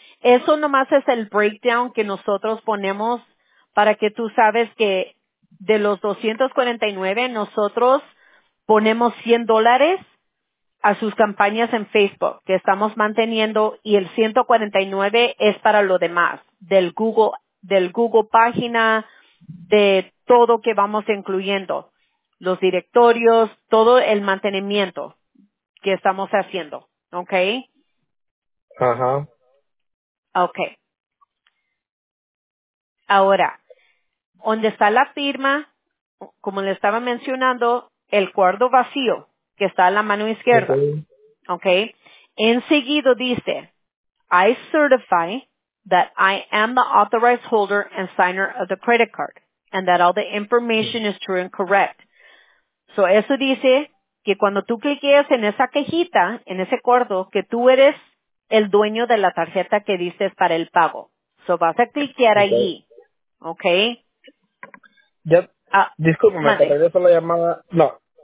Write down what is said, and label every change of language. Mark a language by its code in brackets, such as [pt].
[es] Eso nomás es el breakdown que nosotros ponemos para que tú sabes que de los 249 nosotros ponemos $100 a sus campañas en Facebook que estamos manteniendo y el 149 es para lo demás, del Google página, de todo que vamos incluyendo, los directorios, todo el mantenimiento que estamos haciendo, ¿ok? Ajá. Ok. Ahora, ¿dónde está la firma? Como le estaba mencionando, el cuarto vacío, que está a la mano izquierda, okay. Enseguido dice, [en] I certify that I am the authorized holder and signer of the credit card and that all the information is true and correct. So [es] eso dice que cuando tú cliques en esa cajita, en ese cuarto, que tú eres el dueño de la tarjeta que dices para el pago. [en] So [es] vas a cliquear allí, okay. Ya, discúlpame, te regreso la llamada, no.